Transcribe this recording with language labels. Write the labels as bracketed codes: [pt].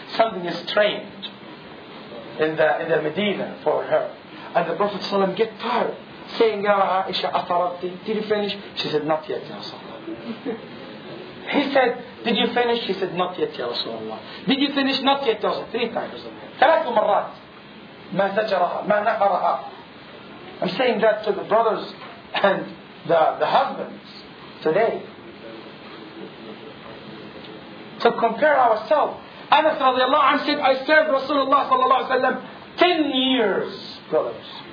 [en] Something is strange in the Medina for her. And the Prophet sallallahu alaihi wasallam get tired, saying, "Ya Aisha, [ar] atarabti? [en] Did you finish?" She said, "Not yet, ya Rasulullah." He said, "Did you finish?" She said, "Not yet, ya Rasulullah." "Did you finish?" "Not yet, ya Rasulullah." Three times. [ar] ثلاث مرات ما زجرها ما نقرها. [en] I'm saying that to the brothers and the husbands today. So compare ourselves. Anas radiallahu anhu said, "I served Rasulullah sallallahu alaihi wasallam 10 years, brothers.